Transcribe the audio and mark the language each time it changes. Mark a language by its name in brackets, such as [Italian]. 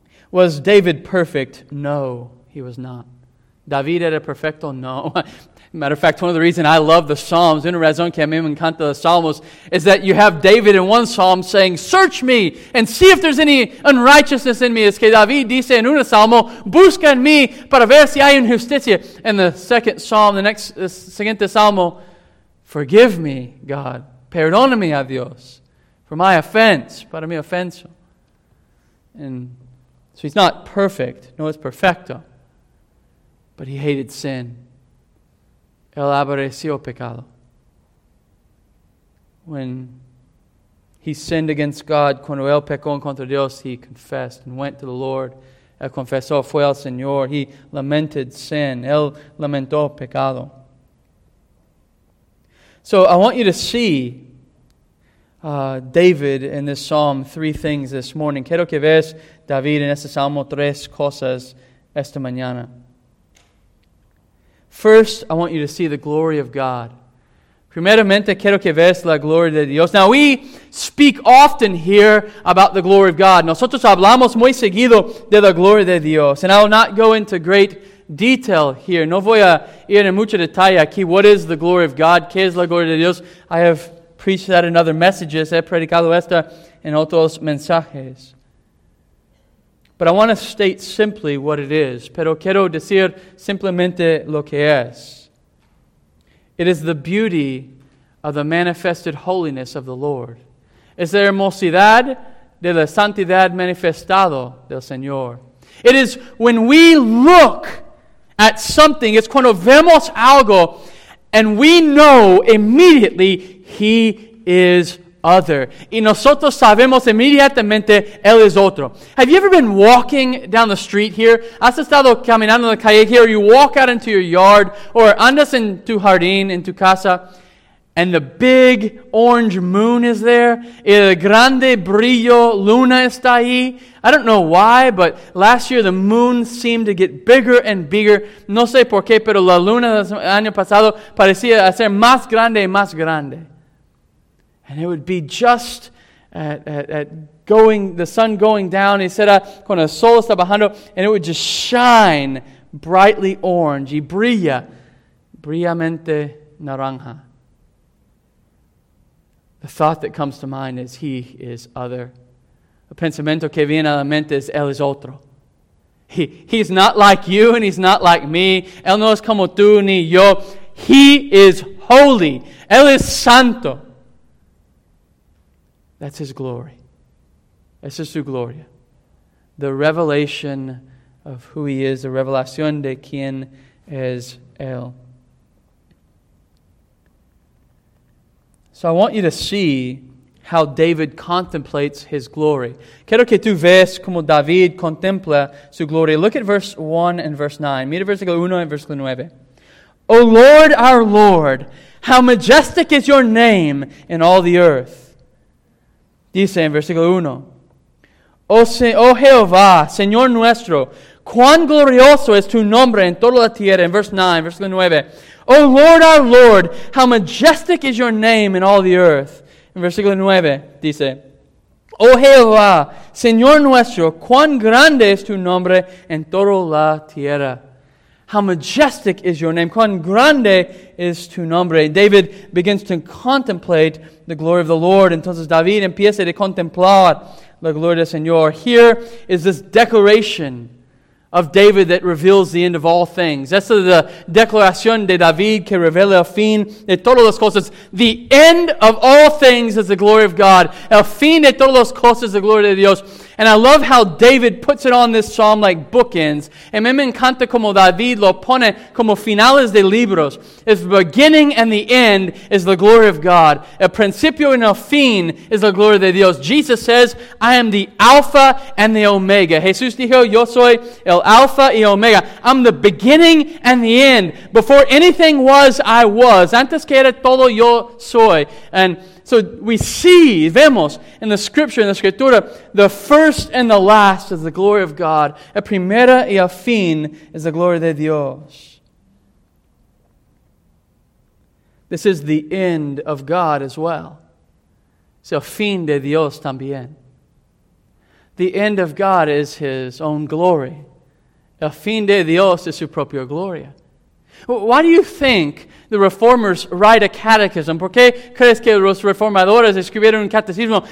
[English] Was David perfect? No, he was not. [Spanish] David era perfecto? No. [English] Matter of fact, one of the reasons I love the Psalms, [Spanish] una razón que a mí me encanta los Salmos, [English] is that you have David in one Psalm saying, search me and see if there's any unrighteousness in me. [Spanish] Es que David dice en un Salmo, busca en mí para ver si hay injusticia. [English] And the second Psalm, the [Spanish] siguiente Salmo, [English] forgive me, God, [Spanish] perdóname a Dios, [English] for my offense, [Spanish] para mi ofensa. [English] And so he's not perfect, nor is perfecto. But he hated sin. [Spanish] El aborreció pecado. [English] When he sinned against God, [Spanish] cuando él pecó en contra Dios, [English] he confessed and went to the Lord. [Spanish] El confesó fue al Señor. [English] He lamented sin. [Spanish] Él lamentó pecado. [English] So I want you to see David in this psalm three things this morning. [Spanish] Quiero que veas David en este salmo tres cosas esta mañana. [English] First, I want you to see the glory of God. [Spanish] Primeramente, quiero que veas la gloria de Dios. [English] Now, we speak often here about the glory of God. [Spanish] Nosotros hablamos muy seguido de la gloria de Dios. [English] And I will not go into great detail here. [Spanish] No voy a ir en mucho detalle aquí. [English] What is the glory of God? [Spanish] ¿Qué es la gloria de Dios? [English] I have preached that in other messages. [Spanish] He predicado esta en otros mensajes. [English] But I want to state simply what it is. [Spanish] Pero quiero decir simplemente lo que es. [English] It is the beauty of the manifested holiness of the Lord. [Spanish] Es la hermosidad de la santidad manifestado del Señor. [English] It is when we look at something, it's [Spanish] cuando vemos algo, [English] and we know immediately He is other. [Spanish] Y nosotros sabemos inmediatamente Él es otro. [English] Have you ever been walking down the street here? [Spanish] ¿Has estado caminando en la calle [English] here? You walk out into your yard or [Spanish] andas en tu jardín, en tu casa, [English] and the big orange moon is there. [Spanish] El grande brillo luna está ahí. [English] I don't know why, but last year the moon seemed to get bigger and bigger. [Spanish] No sé por qué, pero la luna del año pasado parecía ser más grande y más grande. [English] And it would be just at going, the sun going down, [Spanish] y será cuando el sol está bajando, [English] and it would just shine brightly orange, [Spanish] y brilla, brillamente naranja. [English] The thought that comes to mind is He is other. [Spanish] El pensamiento que viene a la mente es Él es otro. [English] He's not like you, and He's not like me. [Spanish] Él no es como tú ni yo. [English] He is holy. [Spanish] Él es santo. [English] That's His glory. [Spanish] Esa es su gloria. [English] The revelation of who He is, the [Spanish] revelación de quién es Él. [English] So I want you to see how David contemplates His glory. [Spanish] Quiero que tú veas cómo David contempla su gloria. [English] Look at verse 1 and verse 9. [Spanish] Mira versículo 1 [English] and versículo 9. O Lord, our Lord, how majestic is Your name in all the earth. [Spanish] Dice en versículo 1, oh Jehová, Señor nuestro, cuán glorioso es tu nombre en toda la tierra. [English] En verse 9, versículo 9, oh Lord, our Lord, how majestic is your name in all the earth. [Spanish] En versículo 9, dice, oh Jehová, Señor nuestro, cuán grande es tu nombre en toda la tierra. [English] How majestic is your name. [Spanish] Cuán grande es tu nombre. [English] David begins to contemplate the glory of the Lord. [Spanish] Entonces David empieza a contemplar la gloria del Señor. [English] Here is this declaration of David that reveals the end of all things. [Spanish] Esta es la declaración de David que revela el fin de todas las cosas. [English] The end of all things is the glory of God. [Spanish] El fin de todas las cosas es la gloria de Dios. [English] And I love how David puts it on this psalm like bookends. [Spanish] Y me encanta como David lo pone como finales de libros. [English] It's the beginning and the end is the glory of God. [Spanish] El principio y el fin [English] is the glory de Dios. Jesus says, I am the Alpha and the Omega. [Spanish] Jesús dijo, yo soy el Alpha y Omega. [English] I'm the beginning and the end. Before anything was, I was. [Spanish] Antes que era todo, yo soy. [English] And so we see, [Spanish] vemos, [English] in the Scripture, in the Scriptura, the first and the last is the glory of God. [Spanish] El primera y el fin [English] is the glory [Spanish] de Dios. [English] This is the end of God as well. [Spanish] Es el fin de Dios también. [English] The end of God is His own glory. [Spanish] El fin de Dios es su propia gloria. [English] Why do you think the reformers write a catechism? [Spanish] ¿Por qué crees que los reformadores escribieron un catecismo?